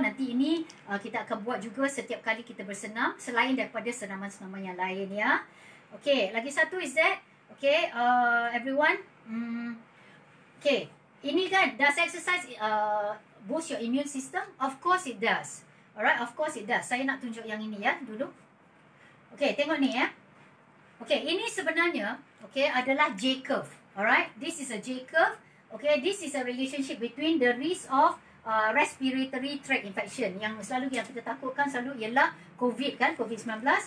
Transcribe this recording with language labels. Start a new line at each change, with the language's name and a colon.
Malay: Nanti ini kita akan buat juga setiap kali kita bersenam, selain daripada senaman-senaman yang lain, ya. Okay, lagi satu
English: is that. Okay, everyone. Okay.
Malay: Ini kan,
English: does exercise boost your immune system? Of course it does. Alright, of course it does.
Malay: Saya nak tunjuk yang ini ya, dulu. Okay, tengok ni ya. Okay, ini sebenarnya, okay, adalah J-curve.
English: Alright, this is a J-curve. Okay, this is a relationship between the risk of respiratory tract infection.
Malay: Yang selalu yang kita takutkan selalu ialah COVID kan, COVID-19.